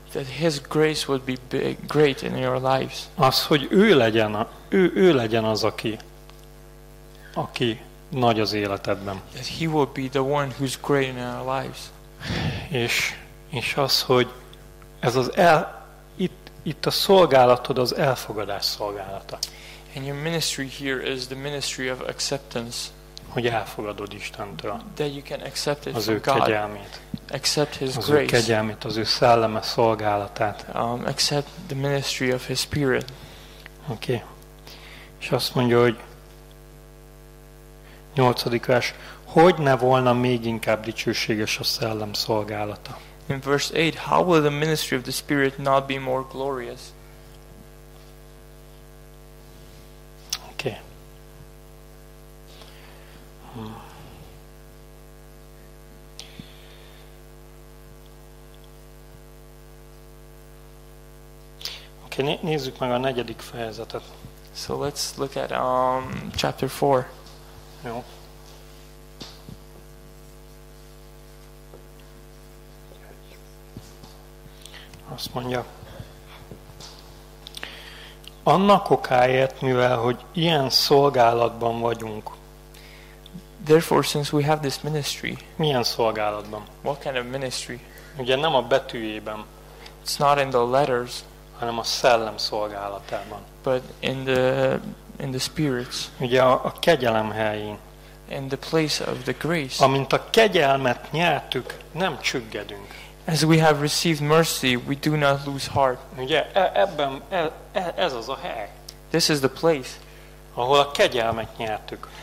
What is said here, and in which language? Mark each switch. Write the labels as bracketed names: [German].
[English] That his grace would be big, great in your lives. [Hungarian] Az, hogy ő legyen az, aki nagy az életedben. [English] That he would be the one who's great in our lives. [Hungarian] És az, hogy ez az itt a szolgálatod az elfogadás szolgálata. [English] And your ministry here is the ministry of acceptance. [Hungarian] Hogy elfogadod Istentől. [English] That you can accept it from God. [Hungarian] Az ő kegyelmét. [English] Accept his [Hungarian] az [English] grace. [Hungarian] Ő kegyelmét, az ő szelleme szolgálatát. [English] Accept the ministry of his spirit. [Hungarian] Oké. Okay. És azt mondja, hogy 8. vers, hogy ne volna még inkább dicsőséges a szellem szolgálata. [English] In verse 8, how will the ministry of the spirit not be more glorious? Oké. Okay. [Hungarian] Nézzük meg a negyedik fejezetet. [English] So let's look at chapter 4. [Hungarian] Jó. Azt mondja. Annak okáért, mivel hogy ilyen szolgálatban vagyunk. [English] Therefore, since we have this ministry. [Hungarian] Milyen szolgálatban? [English] What kind of ministry? [Hungarian] Ugye nem a betűjében. [English] It's not in the letters. [Hungarian] Hanem a szellem szolgálatában. [English] But in the spirits. [Hungarian] Ugye a kegyelem helyén. [English] In the place of the grace. [Hungarian] Amint a kegyelmet nyertük, nem csüggedünk. [English] As we have received mercy, we do not lose heart. [Hungarian] Ugye ebben ez az a hely. [English] This is the place. [Hungarian] Ahol a kegyelmet nyertük.